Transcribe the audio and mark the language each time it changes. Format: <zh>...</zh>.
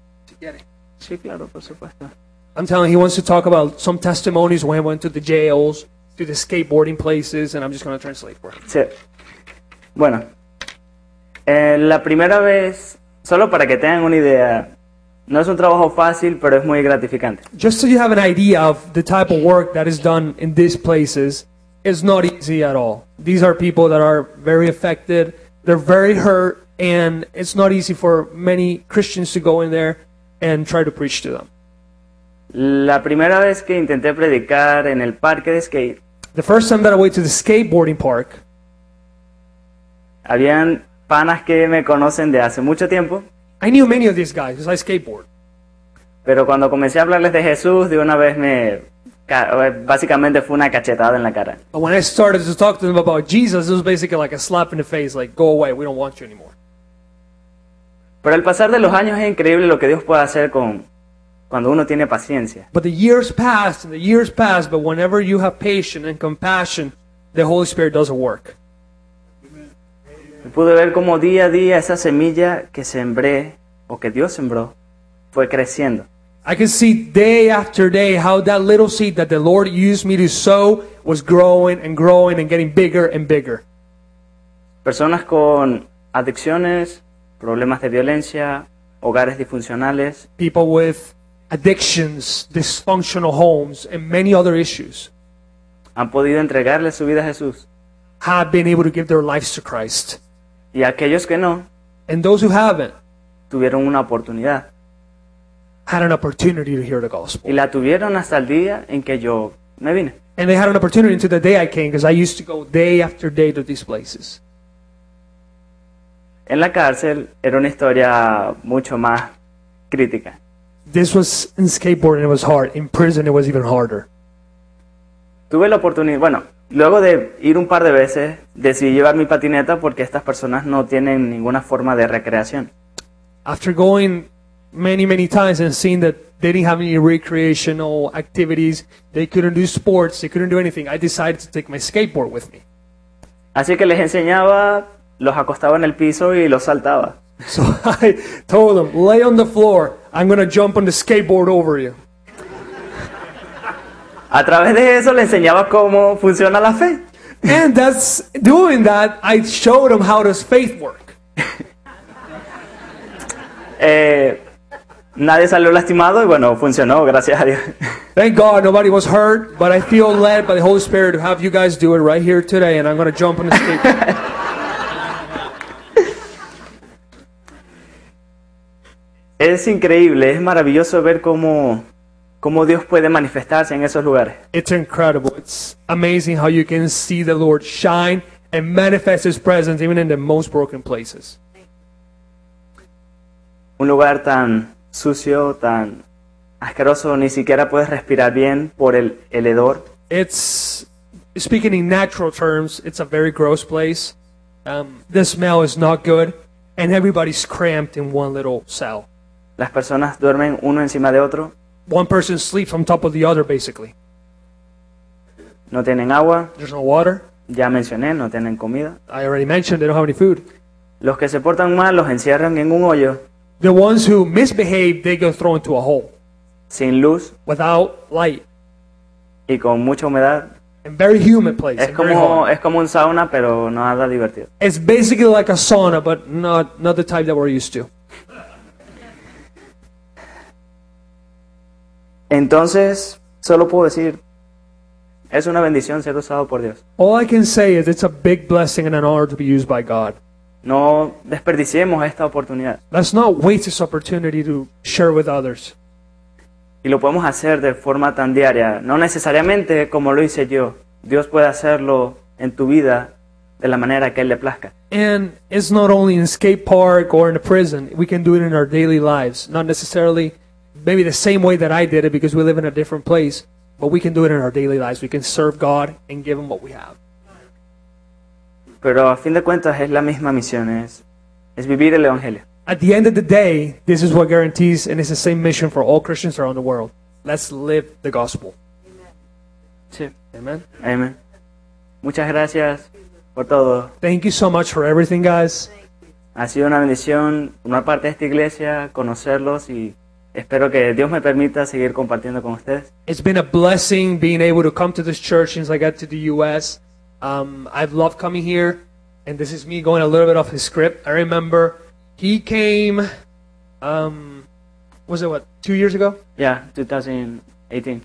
<es>Si quieres. Sí, claro, por supuesto.</es> <en>I'm telling you, he wants to talk about some testimonies when he went to the jails, to the skateboarding places, and I'm just going to translate for him.</en> <es>Sí. Bueno. La primera vez, solo para que tengan una idea, no es un trabajo fácil, pero es muy gratificante.</es> <en>Just so you have an idea of the type of work that is done in these places, it's not easy at all. These are people that are very affected, they're very hurt, and it's not easy for many Christians to go in there and try to preach to them.</en> <es>La primera vez que intenté predicar en el parque de skate,</es> <en>the first time that I went to the skateboarding park,</en> <es>habían panas que me conocen de hace mucho tiempo.</es> <en>I knew many of these guys because I skateboard.</en> <es>Pero cuando comencé a hablarles de Jesús, de una vez me básicamente fue una cachetada en la cara.</es> <en>But when I started to talk to them about Jesus, it was basically like a slap in the face, like go away, we don't want you anymore.</en> <es>Pero al pasar de los años es increíble lo que Dios puede hacer con cuando uno tiene paciencia.</es> <en>But the years pass, but whenever you have patience and compassion, the Holy Spirit does a work.</en> <es>Pude ver cómo día a día esa semilla que sembré o que Dios sembró fue creciendo.</es> <en>I could see day after day how that little seed that the Lord used me to sow was growing and growing and getting bigger and bigger.</en> <es>Personas con adicciones, problemas de violencia, hogares disfuncionales.</es> <en>People with addictions, dysfunctional homes, and many other issues.</en> <es>Han podido entregarle su vida a Jesús.</es> <en>Have been able to give their lives to Christ.</en> <es>Y aquellos que no,</es> <en>and those who haven't,</en> <es>tuvieron una oportunidad,</es> <en>had an opportunity to hear the gospel.</en> <es>Y la tuvieron hasta el día en que yo me vine.</es> <en>And they had an opportunity until the day I came, because I used to go day after day to these places.</en> <es>En la cárcel era una historia mucho más crítica.</es> <en>This was in skateboarding, it was hard. In prison, it was even harder.</en> <es>Tuve la oportunidad, bueno, luego de ir un par de veces, decidí llevar mi patineta porque estas personas no tienen ninguna forma de recreación.</es> <en>After going many, many times and seeing that they didn't have any recreational activities, they couldn't do sports, they couldn't do anything, I decided to take my skateboard with me.</en> <es>Así que les enseñaba, los acostaba en el piso y los saltaba.</es> <en>So I told them, lay on the floor, I'm going to jump on the skateboard over you.</en> <es>A través de eso le enseñaba cómo funciona la fe.</es> <en>And that's doing that, I showed him how does faith work.</en> <es>Nadie salió lastimado y bueno, funcionó, gracias a Dios.</es> <en>Thank God nobody was hurt, but I feel led by the Holy Spirit to have you guys do it right here today and I'm going to jump on the skateboard.</en> <es>Es increíble, es maravilloso ver cómo Dios puede manifestarse en esos lugares.</es> <en>It's incredible. It's amazing how you can see the Lord shine and manifest His presence even in the most broken places.</en> <es>Un lugar tan sucio, tan asqueroso, ni siquiera puedes respirar bien por el hedor.</es> <en>It's, speaking in natural terms, it's a very gross place. The smell is not good and everybody's cramped in one little cell.</en> <es>Las personas duermen uno encima de otro.</es> <en>One person sleeps on top of the other, basically.</en> <es>No tienen agua.</es> <en>There's no water.</en> <es>Ya mencioné, no tienen comida.</es> <en>I already mentioned, they don't have any food.</en> <es>Los que se portan mal, los encierran en un hoyo.</es> <en>The ones who misbehave, they go thrown into a hole.</en> <es>Sin luz.</es> <en>Without light.</en> <es>Y con mucha humedad.</es> <en>And very humid place.</en> <es>Es como un sauna, pero no nada divertido.</es> <en>It's basically like a sauna, but not the type that we're used to.</en> <es>Entonces, solo puedo decir, es una bendición ser usado por Dios.</es> <en>All I can say is it's a big blessing and an honor to be used by God.</en> <es>No desperdiciemos esta oportunidad.</es> <en>Let's not waste this opportunity to share with others.</en> <es>Y lo podemos hacer de forma tan diaria, no necesariamente como lo hice yo. Dios puede hacerlo en tu vida de la manera que Él le plazca.</es> <en>And it's not only in a skate park or in a prison. We can do it in our daily lives, not necessarily maybe the same way that I did it, because we live in a different place, but we can do it in our daily lives. We can serve God and give Him what we have.</en> <es>Pero a fin de cuentas es la misma misión, es vivir el evangelio.</es> <en>At the end of the day, this is what guarantees, and it's the same mission for all Christians around the world. Let's live the gospel.</en> <es>Amen. Amen. Muchas gracias por todo.</es> <en>Thank you so much for everything, guys.</en> <es>Ha sido una bendición formar parte de esta iglesia, conocerlos, y espero que Dios me permita seguir compartiendo con ustedes.</es> <en>It's been a blessing being able to come to this church since I got to the U.S. I've loved coming here, and this is me going a little bit off his script. I remember he came, was it what, 2 years ago? Yeah, 2018.</en>